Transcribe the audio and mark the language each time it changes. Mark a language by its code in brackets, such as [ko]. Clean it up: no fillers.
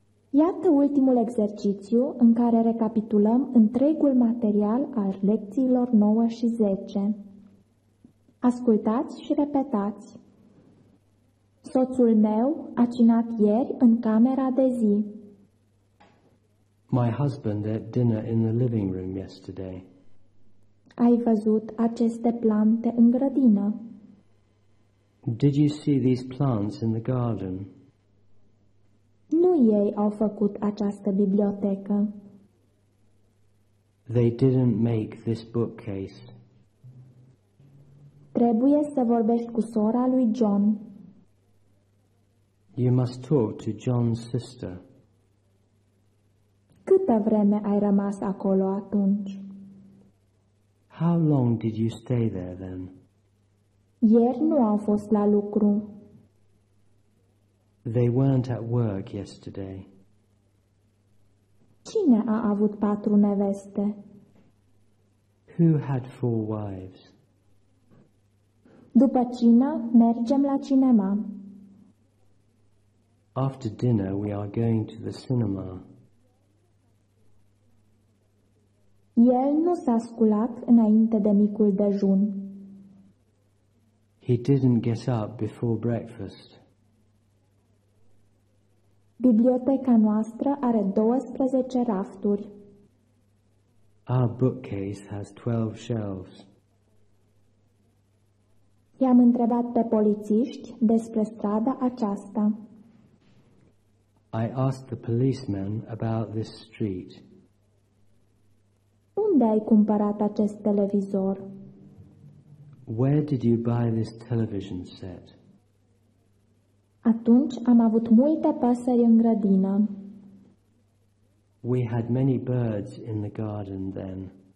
[ro] Iată ultimul exercițiu în care recapitulăm întregul material al lecțiilor 9 și 10. Ascultați și repetați. Soțul meu a cinat ieri în camera de zi. [en] My husband ate dinner in the living room yesterday. [ro] Ai văzut aceste plante în grădină? [en] Did you see these plants in the garden? [ro] Nu ei au făcut această bibliotecă. [en] They didn't make this bookcase. [ro] Trebuie să vorbești cu sora lui John. [en] You must talk to John's sister. [ro] Câtă vreme ai rămas acolo atunci? [en] How long did you stay there then? [ro] Ieri nu au fost la lucru. [en] They weren't at work yesterday. [ro] Cine a avut patru neveste? [en] Who had four wives? [ro] După cină, mergem la cinema. [en] After dinner, we are going to the cinema. [ro] El nu s-a sculat înainte de micul dejun. [en] He didn't get up before breakfast. [ro] Biblioteca noastră are 12 rafturi. [en] Our bookcase has 12 shelves. [ro] I-am întrebat pe polițiști despre strada aceasta. [en] I asked the policeman about this street. [ro] Unde ai cumpărat acest televizor? [en] Where did you buy this television set? [ro] Atunci am avut multe păsări în grădină. [en] We had many birds in the garden then.